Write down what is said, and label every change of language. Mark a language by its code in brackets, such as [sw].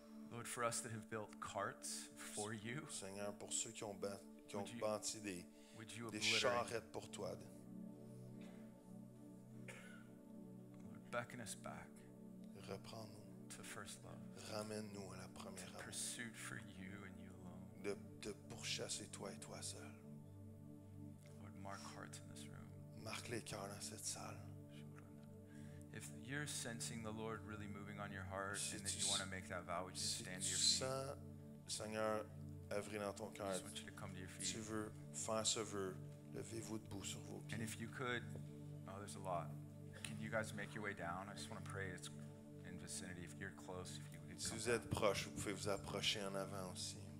[en] Lord, for us that have built carts for you. [fr] Seigneur, pour ceux qui ont bâti des charrettes pour toi. [en] Lord, beckon us back. [fr] Reprends-nous. [en] To first love. [fr] Ramène-nous à la première [en] amour. Pursuit for you and you alone. [fr] De pourchasser toi et toi seul. [en] Lord, mark hearts in this room. [fr] Marque les cœurs dans cette salle. [en] If you're sensing the Lord really moving on your heart [fr] si [en] and that you want to make that vow, would you [fr] si [en] stand [fr] tu [en] to your feet? [fr] Sens, Seigneur, œuvrer dans ton cœur. [en] I just want you to come to your feet. [fr] Tu veux faire ce vœu, levez-vous debout sur vos pieds. [en] And if you could, oh, there's a lot. Can you guys make your way down? I just want to pray. It's vicinity. If you're close, if you could [fr] si vous êtes proche, vous pouvez vous approcher en avant aussi.